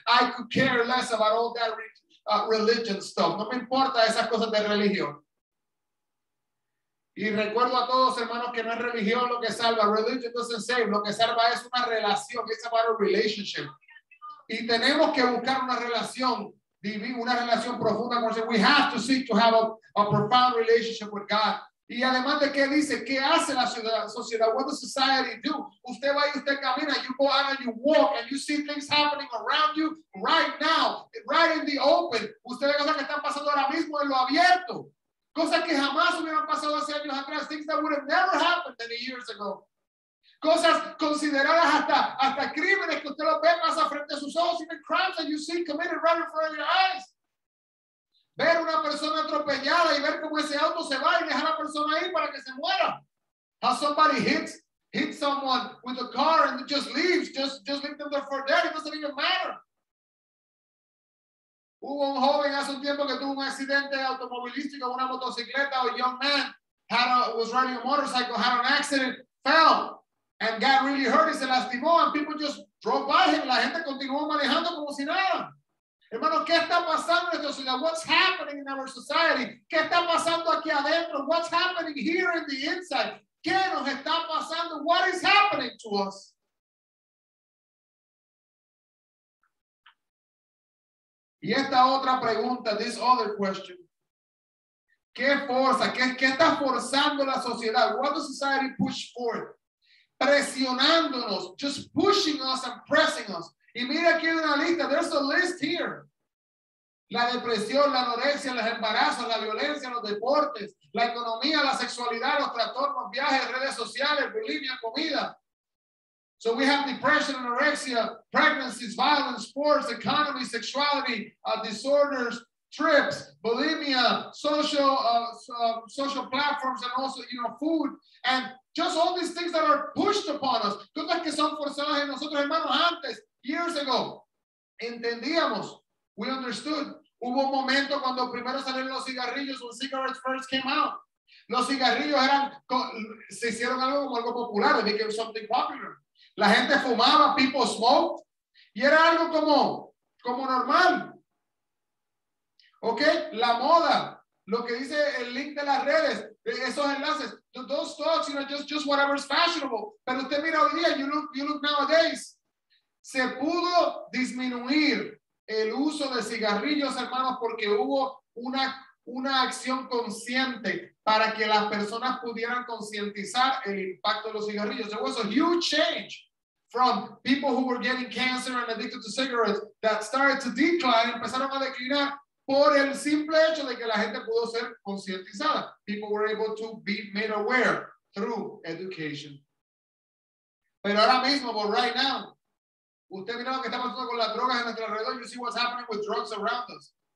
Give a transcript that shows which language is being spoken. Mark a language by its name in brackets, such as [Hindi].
[English] I could care less about all that religion stuff. [Spanish] No me importa esas cosas de religión. Y recuerdo a todos, hermanos, que no es religión lo que salva. [English] Religion doesn't save. [Spanish] Lo que salva es una relación. [English] It's about a relationship. [Spanish] Y tenemos que buscar una relación. Una relación profunda con Dios. [English] We have to seek to have a profound relationship with God. [Spanish] Y además de qué dice, qué hace la sociedad, [English] what does society do? [Spanish] Usted va y usted camina, [English] you go out and you walk, and you see things happening around you right now, right in the open. [Spanish] Usted ve cosas que están pasando ahora mismo en lo abierto. Cosas que jamás hubieran pasado hace años atrás, [English] things that would have never happened many years ago. [Spanish] Cosas consideradas hasta crímenes que usted lo ve más a frente a sus ojos, [English] even crimes that you see committed right in front of your eyes. [Spanish] Ver una persona atropellada y ver cómo ese auto se va y dejar a la persona ahí para que se muera. [English] How somebody hits someone with a car and just leaves, just leave them there for dead, it doesn't even matter. [Spanish] Hubo un joven hace un tiempo que tuvo un accidente automovilístico, una motocicleta, [English] a young man. was riding a motorcycle, had an accident, fell, and got really hurt. He said, lastimó, and people just drove by him. [Spanish] La gente continuó manejando como si nada. Hermano, ¿qué está pasando en nuestra sociedad? [English] What's happening in our society? [Spanish] ¿Qué está pasando aquí adentro? [English] What's happening here in the inside? [Spanish] ¿Qué nos está pasando? [English] What is happening to us? [Spanish] Y esta otra pregunta, [English] this other question. [Spanish] ¿Qué fuerza? ¿Qué está forzando la sociedad? [English] What does society push forth? [Spanish] Presionándonos, [English] just pushing us and pressing us. [Spanish] Y mira aquí una lista, [English] there's a list here. [Spanish] La depresión, la anorexia, los embarazos, la violencia, los deportes, la economía, la sexualidad, los trastornos, viajes, redes sociales, bulimia, comida. [English] So we have depression, anorexia, pregnancies, violence, sports, economy, sexuality, disorders, trips, bulimia, social platforms, and also, you know, food, and just all these things that are pushed upon us. [Spanish] Cosas que son forzadas en nosotros, hermanos, antes, [English] years ago, [Spanish] entendíamos, [English] we understood. [Spanish] Hubo un momento cuando primero salieron los cigarrillos, [English] when cigarettes first came out. [Spanish] Los cigarrillos eran, se hicieron algo como algo popular, [English] they became something popular. [Spanish] La gente fumaba, [English] people smoked, [Spanish] y era algo como normal. Okay, la moda, lo que dice el link de las redes, esos enlaces, [English] those thoughts, you know, just whatever's fashionable. [Spanish] Pero usted mira hoy día, [English] you look nowadays. [Spanish] Se pudo disminuir el uso de cigarrillos, hermanos, porque hubo una acción consciente para que las personas pudieran concientizar el impacto de los cigarrillos. [English] There was a huge change from people who were getting cancer and addicted to cigarettes that started to decline, [Spanish] empezaron a declinar. Por el simple hecho de que la gente pudo ser concientizada. [English] People were able to be made aware through education. [Spanish] Pero ahora mismo, [English] but right now, [Spanish] usted mira lo que está pasando con las drogas en nuestro alrededor. [English] You see what's happening with drugs around us.